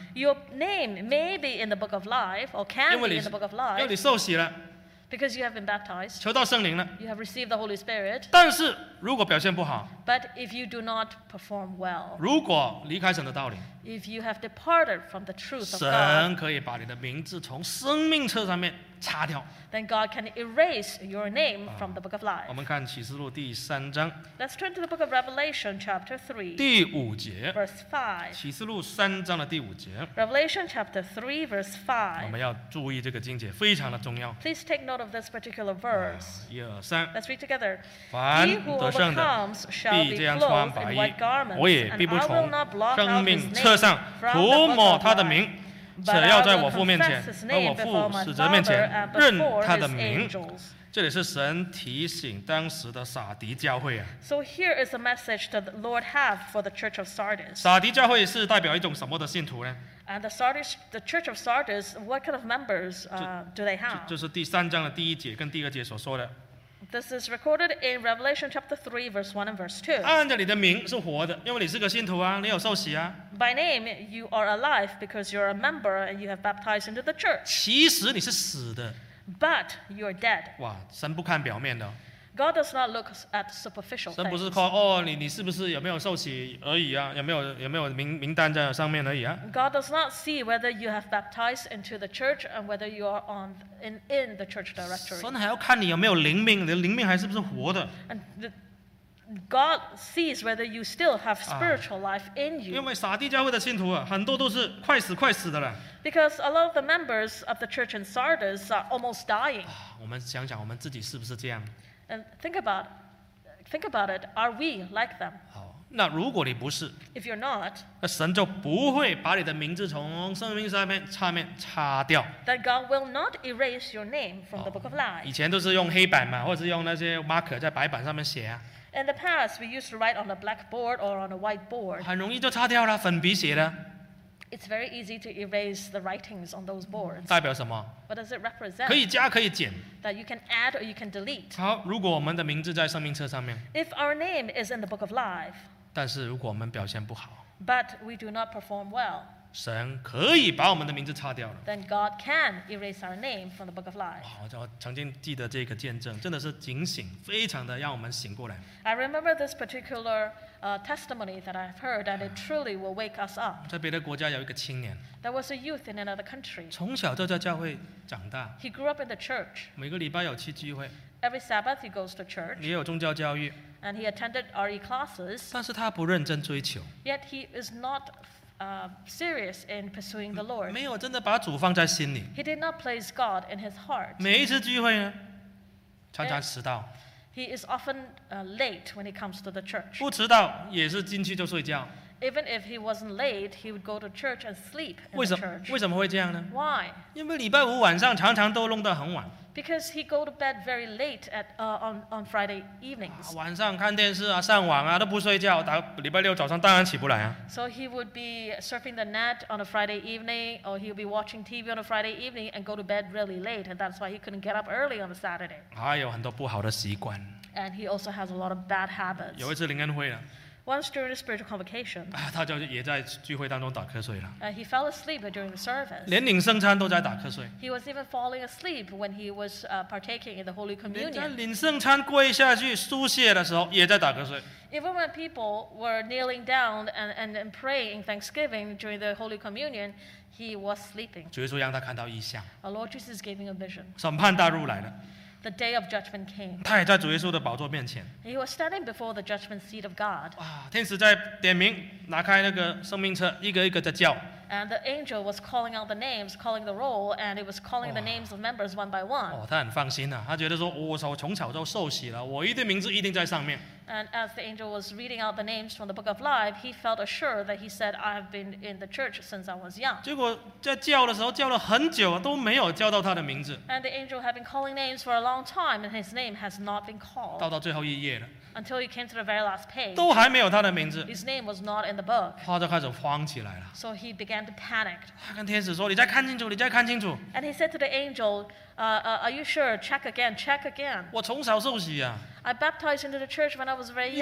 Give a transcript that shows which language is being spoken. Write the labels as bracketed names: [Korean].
[English] your name may be in the book of life or can [Chinese] 因为你, [English] be in the book of life [Chinese] 因为你受洗了, [English] because you have been baptized, [Chinese] 求到圣灵了, [English] you have received the Holy Spirit, [Chinese] 但是如果表现不好, [English] but if you do not perform well, [Chinese] 如果离开神的道理, [English] if you have departed from the truth of God, [Chinese] 神可以把你的名字从生命册上面擦掉, [English] then God can erase your name from the book of life. [Chinese] 我们看启示录第三章, [English] let's turn to the book of Revelation chapter 3 [Chinese] 第五节, [English] verse 5 [Chinese] 启示录三章的第五节, [English] Revelation chapter 3 verse 5 [Chinese] 我们要注意这个经节, 非常的重要, [English] please take note of this particular verse. [Chinese] 一二三, [English] let's read together. [Chinese] 凡得胜的, [English] he who overcomes shall be clothed in white garments, [Chinese] 我也必不从, [English] and I will not blot out his name [Chinese] 车上涂抹他的名, 且要在我父面前和我父使者面前认他的名。这里是神提醒当时的撒迪教会啊。 [English] So here is a message that the Lord have for the Church of Sardis. [Chinese] 撒迪教会是代表一种什么的信徒呢？ [English] And the Church of Sardis, what kind of members do they have? [Chinese] 就是第三章的第一节跟第二节所说的。 [English] This is recorded in Revelation chapter 3, verse 1 and verse 2. [Chinese] 按着你的名是活的, 因为你是个信徒啊, 你有受洗啊。 [English] By name, you are alive because you're a member and you have baptized into the church. [Chinese] 其实你是死的, [English] but you're dead. [Chinese] 哇, 神不看表面的。 [English] God does not look at superficial things. [Chinese] 神不是靠你是不是有没有受洗而已啊，有没有名单在上面而已啊。 [English] God does not see whether you have baptized into the church and whether you are on in the church directory. [Chinese] 神还要看你有没有灵命，你的灵命还是不是活的。 [English] And God sees whether you still have spiritual life in you. [Chinese] 因为撒迪教会的信徒啊，很多都是快死快死的了。 [English] Because a lot of the members of the church in Sardis are almost dying. [Chinese] 我们想想我们自己是不是这样。 [English] And think about it. Are we like them? [Chinese] 好，那如果你不是， [English] if you're not, [Chinese] 那神就不会把你的名字从生命上面擦掉。 [English] Then God will not erase your name from the book of life. [Chinese] 以前都是用黑板嘛， 或者是用那些 marker 在白板上面写啊。 [English] In the past, we used to write on a blackboard or on a whiteboard. [Chinese] 很容易就擦掉了， 粉笔写的。 [English] It's very easy to erase the writings on those boards. [Chinese] 代表什么？ [English] What does it represent? [Chinese] 可以加可以减。 [English] That you can add or you can delete. [Chinese] 好，如果我们的名字在生命册上面， [English] if our name is in the book of life, [Chinese] 但是如果我们表现不好， [English] but we do not perform well, [Chinese] 神可以把我们的名字擦掉了， [English] then God can erase our name from the book of life. [Chinese] 我曾经记得这个见证， 真的是警醒， 非常的让我们醒过来。 [English] I remember this particular testimony that I've heard, and it truly will wake us up. [Chinese] 在别的国家有一个青年， [English] there was a youth in another country. [Chinese] 从小就在教会长大， [English] he grew up in the church. [Chinese] 每个礼拜有去聚会， [English] every Sabbath he goes to church. [Chinese] 也有宗教教育， [English] and he attended RE classes. [Chinese] 但是他不认真追求， [English] yet he is not serious in pursuing the Lord. [Chinese] 没有真的把主放在心里， [English] he did not place God in his heart. [Chinese] 每一次聚会呢， 常常迟到， [English] he is often late when he comes to the church. [Chinese] 不迟到也是进去就睡觉。 [English] Even if he wasn't late, he would go to church and sleep in the church. Why? [Chinese] 因为礼拜五晚上常常都弄得很晚。 [English] Because he go to bed very late at on Friday evenings. [Chinese] 晚上看电视啊，上网啊，都不睡觉。打礼拜六早上当然起不来啊。 [English] So he would be surfing the net on a Friday evening, or he would be watching TV on a Friday evening and go to bed really late, and that's why he couldn't get up early on a Saturday. [Chinese] 还有很多不好的习惯。 [English] And he also has a lot of bad habits. [Chinese] 有一次灵恩会了。 [English] Once during the spiritual convocation, [Chinese] 他就也在聚会当中打瞌睡了。 [English] He fell asleep during the service. [Chinese] 连领圣餐都在打瞌睡。 [English] He was even falling asleep when he was partaking in the Holy Communion. [Chinese] 连在领圣餐跪下去书写的时候也在打瞌睡。 [English] Even when people were kneeling down and praying thanksgiving during the Holy Communion, he was sleeping. [Chinese] 主耶稣让他看到异象。 [English] Our Lord Jesus gave him a vision. [Chinese] 审判大日来了。 [English] The day of judgment came. [Chinese] 他也在主耶稣的宝座面前。 [English] He was standing before the judgment seat of God. [Chinese] 哇，天使在点名，拿开那个生命册，一个一个的叫。 [English] And the angel was calling out the names, calling the roll, and it was calling the names of members one by one. [Chinese] 哦，他很放心啊，他觉得说，我从小就受洗了，我一定名字一定在上面。 [English] And as the angel was reading out the names from the book of life, he felt assured that he said, I have been in the church since I was young. [Chinese] 结果在叫的时候，叫了很久，都没有叫到他的名字。 [English] And the angel had been calling names for a long time, and his name has not been called. [Chinese] 到最后一页了。 [English] Until he came to the very last page. [Chinese] 都还没有他的名字。 [English] His name was not in the book. [Chinese] 他就开始慌起来了。 [English] So he began to panic. [Chinese] 他跟天使说，你再看清楚，你再看清楚。 [English] And he said to the angel, are you sure? Check again, check again. [Chinese] 我从小受洗啊。 [English] I baptized into the church when I was very young.